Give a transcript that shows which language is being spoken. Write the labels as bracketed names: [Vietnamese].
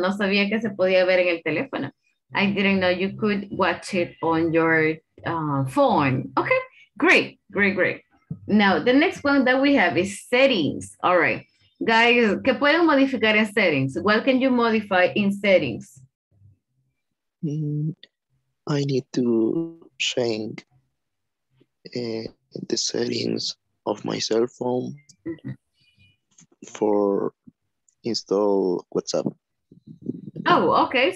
[Spanish] No sabía que se podía ver en el teléfono. [English] I didn't know you could watch it on your phone. Okay, great, great, great. Now, the next one that we have is settings. All right, guys, [Spanish] ¿qué pueden modificar en settings? [English] What can you modify in settings? I need to change the settings of my cell phone. Mm-hmm. For install WhatsApp. Oh, okay.